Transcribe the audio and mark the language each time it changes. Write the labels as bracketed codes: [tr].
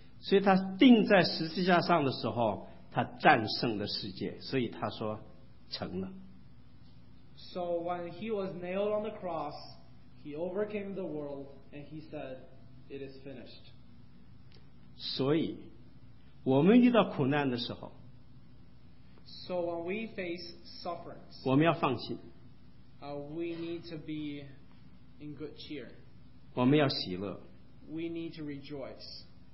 [zh] 所以他钉在十字架上的时候，他战胜了世界，所以他说成了。 [en] So when he was nailed on the cross, he overcame the world and he said, "It is finished." [zh] 所以我们遇到苦难的时候， [en] so when we face sufferings, [zh] 我们要放心， [en] we need to be in good cheer. [zh] 我们要喜乐， [en] we need to rejoice.